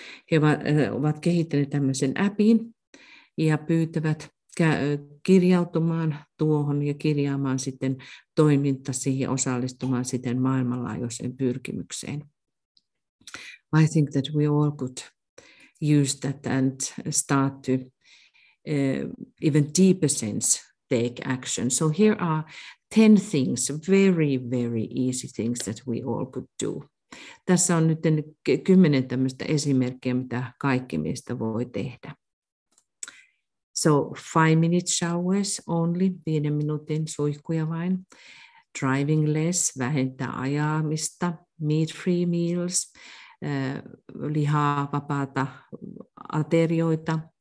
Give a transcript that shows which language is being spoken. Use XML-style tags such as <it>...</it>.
<fi>He ovat kehittäneet tämmöisen appin ja pyytävät kirjautumaan tuohon ja kirjaamaan sitten toimintasi ja osallistumaan sitten maailmanlaajuiseen pyrkimykseen.</fi> <en>I think that we all could use that and start to even deeper sense take action. So here are 10 things, very, very easy things that we all could do.</en> <fi>Tässä on nyt 10 tämmöistä esimerkkiä, mitä kaikki meistä voi tehdä.</fi> <en>So 5-minute showers only,</en> <fi>5 minuutin suihkuja vain.</fi> <en>Driving less,</en> <fi>vähentää ajaamista.</fi> <en>Meat-free meals,</en> <fi>lihaa, vapaata aterioita.</fi>